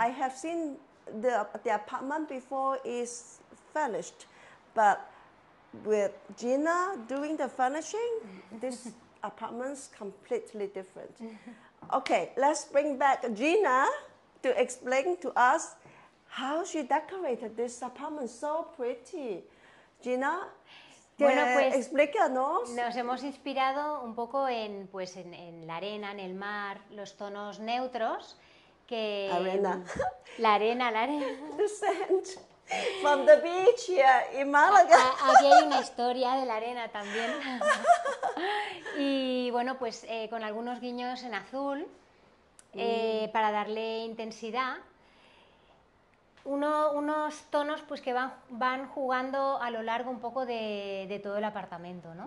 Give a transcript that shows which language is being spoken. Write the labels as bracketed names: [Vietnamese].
[English] I have seen the apartment before is furnished, but with Gina doing the furnishing, this apartment's completely different. Okay, let's bring back Gina to explain to us how she decorated this apartment so pretty. Gina, [Spanish] bueno, pues, explícanos. Nos hemos inspirado un poco en la arena, en el mar, los tonos neutros. Que arena. La arena. [English] The sand from the beach here in Malaga. [Spanish] Aquí hay una historia de la arena también. Y bueno, pues con algunos guiños en azul para darle intensidad. Unos tonos pues que van jugando a lo largo un poco de todo el apartamento, ¿no?